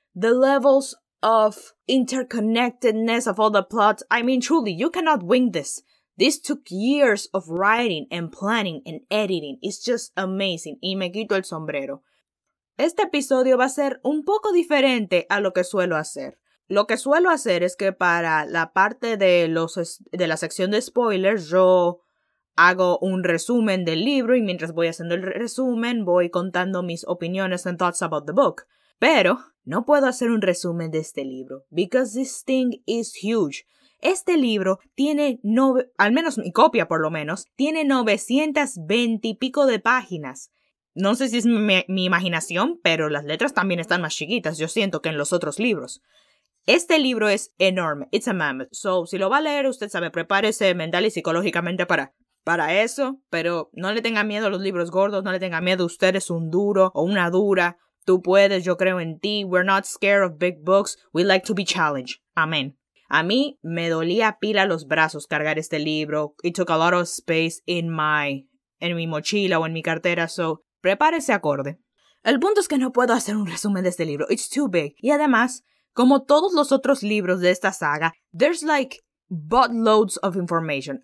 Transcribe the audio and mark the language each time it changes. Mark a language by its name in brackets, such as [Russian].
[English] The levels of interconnectedness of all the plots. I mean, truly, you cannot wing this. This took years of writing and planning and editing. It's just amazing. [Spanish] Y me quito el sombrero. Este episodio va a ser un poco diferente a lo que suelo hacer. Lo que suelo hacer es que para la parte de la sección de spoilers, yo hago un resumen del libro y mientras voy haciendo el resumen, voy contando mis opiniones [English] and thoughts about the book. [Spanish] Pero no puedo hacer un resumen de este libro, [English] because this thing is huge. [Spanish] Este libro tiene, al menos mi copia por lo menos, tiene 920 y pico de páginas. No sé si es mi imaginación, pero las letras también están más chiquitas, yo siento, que en los otros libros. Este libro es enorme, [English] it's a mammoth. [Spanish] So, si lo va a leer, usted sabe, prepárese mental y psicológicamente para eso, pero no le tenga miedo a los libros gordos, no le tenga miedo, usted es un duro o una dura. Tú puedes, yo creo en ti. [English] We're not scared of big books. We like to be challenged. [Spanish] Amén. A mí me dolía pila los brazos cargar este libro. [English] It took a lot of space [Spanish] en mi mochila o en mi cartera. So, prepárese acorde. El punto es que no puedo hacer un resumen de este libro. [English] It's too big. [Spanish] Y además, como todos los otros libros de esta saga, [English] there's like buttloads of information.